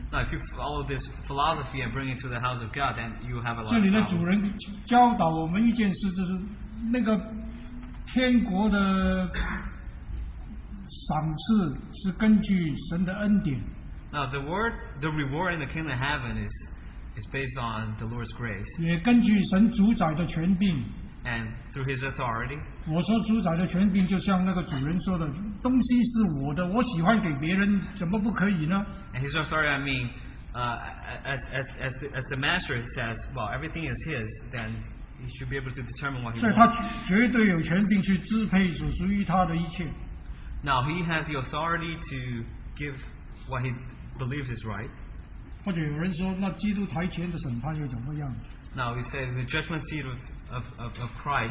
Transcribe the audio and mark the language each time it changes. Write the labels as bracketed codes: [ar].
[en] Now if you follow this philosophy and bring it to the house of God, then you have a lot of problems. [zh] 这里的主人教导我们一件事，就是那个天国的赏赐是根据神的恩典。 [en] Now the reward in the kingdom of heaven is based on the Lord's grace. [zh] 也根据神主宰的权柄。 [en] And through his authority. [zh] 我说主宰的权柄就像那个主人说的，东西是我的，我喜欢给别人，怎么不可以呢？ [en] And his authority, I mean, as the master says, well, everything is his, then he should be able to determine what he wants. [zh] 所以他绝对有权柄去支配所属于他的一切。 [en] Now he has the authority to give what he believes is right. [zh] 或者有人说，那基督台前的审判又怎么样？ [en] Now we say the judgment seat of Christ.